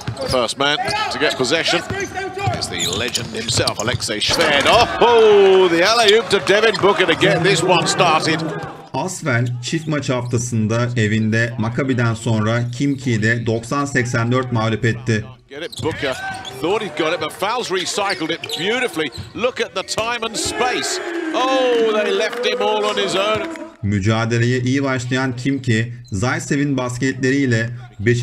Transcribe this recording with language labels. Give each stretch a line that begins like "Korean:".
English: First man to get possession is the legend himself, Alexei Shved. Oh, the alley-oop to Devin Booker to get this one started.
Turkish: Asvel çift maç haftasında evinde Maccabi'den sonra Kimki'de 90-84 mağlup etti.
English: Get it, Booker. Thought he got it, but fouls recycled it beautifully. Look at the time and space. Oh, they left him all on his own.
Turkish: Mücadeleye iyi başlayan Kimki, Zaitsev'in basketleriyle 5.